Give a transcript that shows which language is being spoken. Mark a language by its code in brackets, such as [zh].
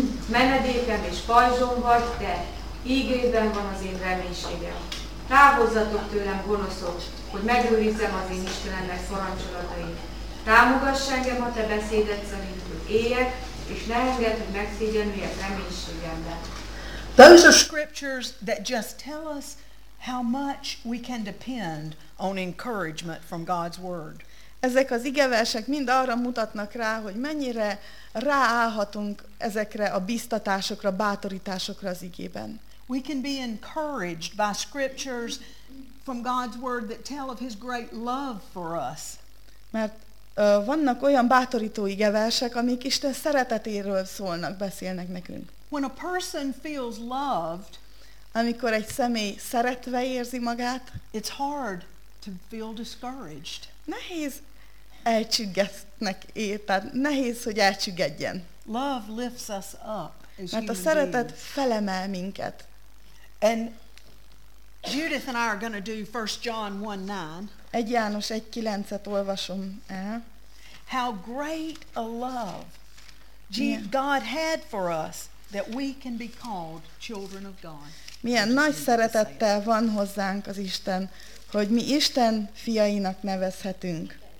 [hu] Menedékem és pajzsom vagy te, ígédben van az én reménységem. Távozzatok tőlem, gonoszok, hogy megőrizzem az én Istenemnek parancsolatait. Támogass engem a te beszédet szerint, hogy éljek, és ne engedd, hogy megszégyenüljek reménységemben. [en] Those are scriptures that just tell us how much we can depend on encouragement from God's word. [hu] Ezek az igeversek mind arra mutatnak rá, hogy mennyire ráállhatunk ezekre a biztatásokra, bátorításokra az igében. [en] We can be encouraged by scriptures from God's word that tell of his great love for us. [hu] Mert vannak olyan bátorító igeversek, amik Isten szeretetéről szólnak, beszélnek nekünk. [en] When a person feels loved, [hu] amikor egy személy szeretve érzi magát, [en] it's hard to feel discouraged. [hu] Nehéz elcsüggetnek érted, nehéz, hogy elcsüggedjen. [en] Love lifts us up. [hu] Mert a szeretet felemel minket. [en] And Judith and I are going to do 1 John 1:9. [hu] 1 János 1:9-et olvasom el. [en] How great a love God had for us that we can be called children of God. [hu] Milyen nagy szeretettel van hozzánk az Isten, hogy mi Isten fiainak nevezhetünk.